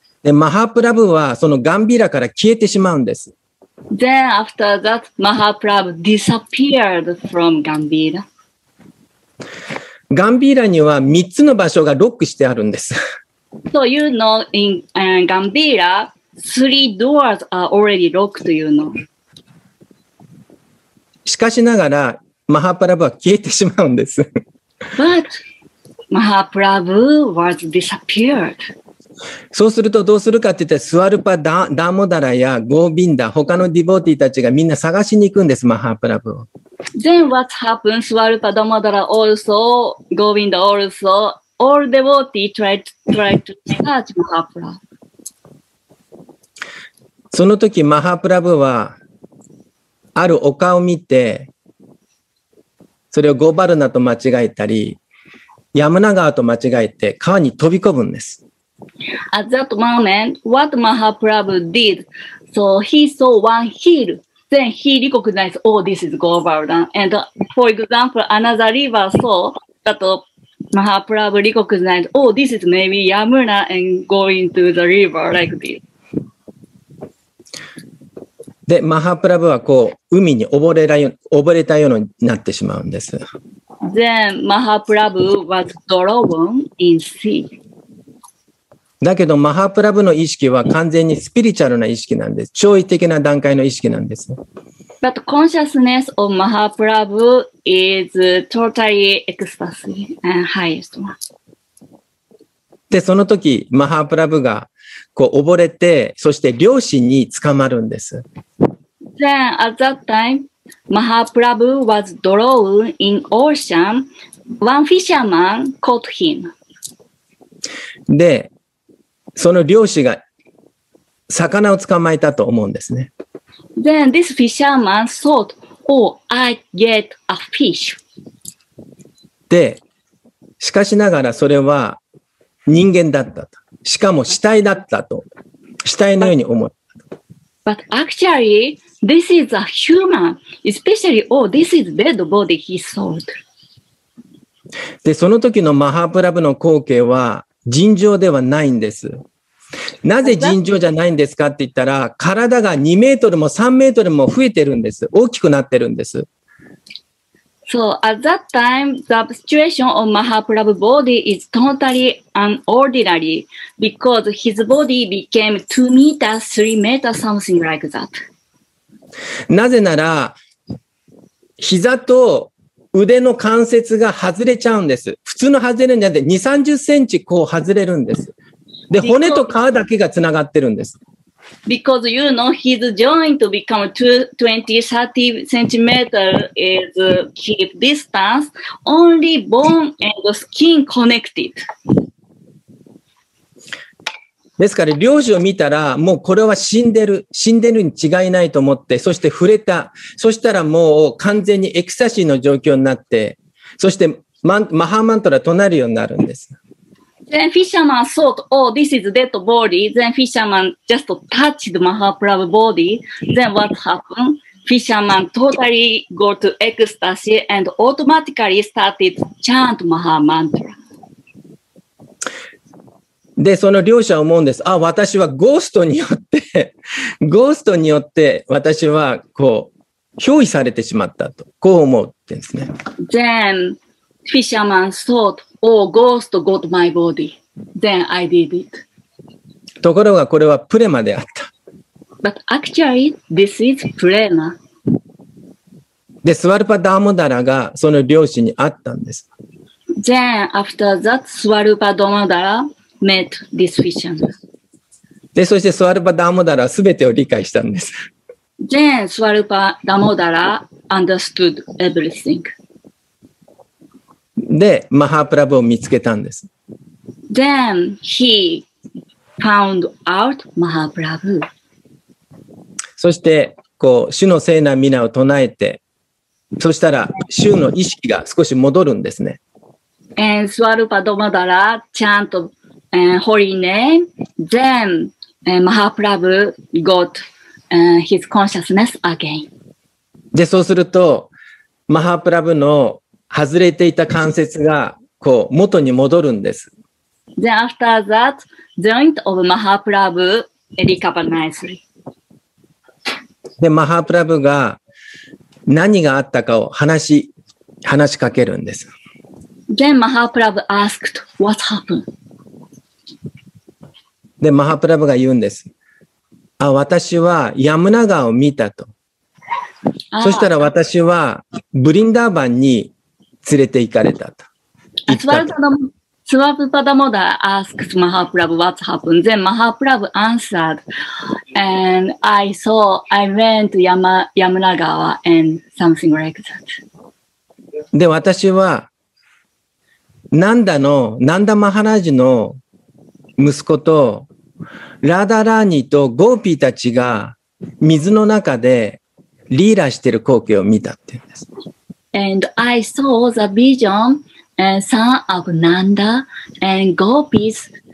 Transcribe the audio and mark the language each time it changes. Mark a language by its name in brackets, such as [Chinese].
[Japanese] マハプラブはそのガンビラから消えてしまうんです。 [English] Then after that, Mahaprabhu disappeared from Gambira. [Japanese] ガンビーラには三つの場所がロックしてあるんです。 [English] So you know in Gambira, three doors are already locked, you know. [Japanese] しかしながら、マハプラブは消えてしまうんです。 [English] But Mahaprabhu was disappeared. [Japanese] そうするとどうするかって言ったら、スワルパ・ダモダラやゴービンダ、他のディボーティーたちがみんな探しに行くんです、マハプラブを。 [English] Then what happened? Swarupa Damodara also, Govinda also, all devotees tried to search Mahaprabhu. [Japanese] その時、マハプラブは、ある丘を見て、それをゴバルナと間違えたり、ヤムナ川と間違えて、川に飛び込むんです。 [English] At that moment, what Mahaprabhu did, so he saw one hill, then he recognized, oh, this is Govardhan. And for example, another river saw that Mahaprabhu recognized, oh, this is maybe Yamuna and going to the river like this. [Japanese] で、マハプラブはこう海に溺れたようになってしまうんです。 [English] Then, マハプラブ was drawn in sea. [Japanese] だけど、マハプラブの意識は完全にスピリチュアルな意識なんです。超意的な段階の意識なんです。 [English] But consciousness of Mahaprabhu is totally ecstasy and highest one. [Japanese] で、その時、マハプラブがこう溺れて、そして漁師に捕まるんです。 [English] Then at that time, Mahaprabhu was drawn in ocean. One fisherman caught him. [Japanese] で、その漁師が魚を捕まえたと思うんですね。 [English] Then this fisherman thought, oh, I get a fish. [Japanese] で、しかしながらそれは人間だったと。しかも死体だったと。死体のように思った。 [English] But actually, this is a human, especially, oh, this is dead body, he thought. [Japanese] で、その時のマハプラブの光景は尋常ではないんです。なぜ尋常じゃないんですかって言ったら、体が2メートルも3メートルも増えてるんです。大きくなってるんです。 [English] So at that time, the situation of Mahaprabhu's body is totally unordinary because his body became 2 meters, 3 meters, something like that. [Japanese] なぜなら、膝と腕の関節が外れちゃうんです。普通の外れるんじゃなくて2、30センチこう外れるんです。で、骨と皮だけがつながってるんです。 [English] Because you know his joint become 20-30 centimeters is keep distance, only bone and skin connected. [Japanese] ですから漁師を見たらもうこれは死んでる、死んでるに違いないと思って、そして触れた、そしたらもう完全にエクスタシーの状況になって、そしてマハマントラ唱えるようになるんです。 [English] Then fisherman thought, oh, this is dead body. Then fisherman just touched Mahaprabhu's body. Then what happened? Fisherman totally go to ecstasy and automatically started chant Maha Mantra. [Japanese] で、その両者は思うんです。あ、私はゴーストによって、ゴーストによって私はこう、憑依されてしまったと。こう思ってですね。 [English] Then fisherman thought,Oh, ghost got my body. Then I did it. [Japanese] ところがこれはプレマであった。 [English] But actually, this is prema. [Japanese] で、スワルパダーモダラがその漁師に会ったんです。 [English] Then after that, スワルパダーモダラ met this fisherman. [Japanese] で、そしてスワルパダーモダラは全てを理解したんです。 [English] Then スワルパダーモダラ understood everything. [Japanese] で、マハプラブを見つけたんです。 [English] Then he found out Mahaprabhu. [Japanese] そして、こう、主の聖なる名を唱えて、そしたら、主の意識が少し戻るんですね。 [English] And Swarupa Damodara chant holy name, then Mahaprabhu got his consciousness again. [Japanese] で、そうすると、マハプラブの外れていた関節がこう元に戻るんです。 [English] Then after that, joint of Mahaprabhu recovered nicely. [Japanese] で、マハプラブが何があったかを話しかけるんです。 [English] Then Mahaprabhu asked, "What happened?" [Japanese] で、マハプラブが言うんです。あ、私はヤムナ川を見たと。そしたら私はブリンダーバンに連れて行かれたと。 [English] スワルパダモダー asks Mahaprabhu what happened. Then Mahaprabhu answered, and I saw, I went to Yamunagawa and something like that. [Japanese] で、私は、ナンダマハラジの息子と、ラダラーニとゴーピーたちが水の中でリーラしている光景を見たって言うんです。 [English] And I saw the vision, son of Nanda and Gopis